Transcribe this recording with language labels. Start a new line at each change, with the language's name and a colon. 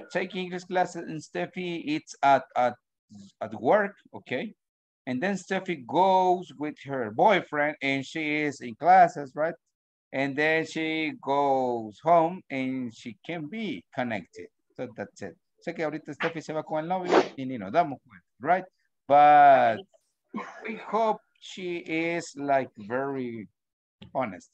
English: You take English classes, and Steffi, it's at work, okay? And then Steffi goes with her boyfriend, and she is in classes, right? And then she goes home and she can be connected. So that's it.
Spanish: Sé que ahorita Steffi se va con el novio y ni nos damos cuenta,
English: right? But we hope she is like very honest.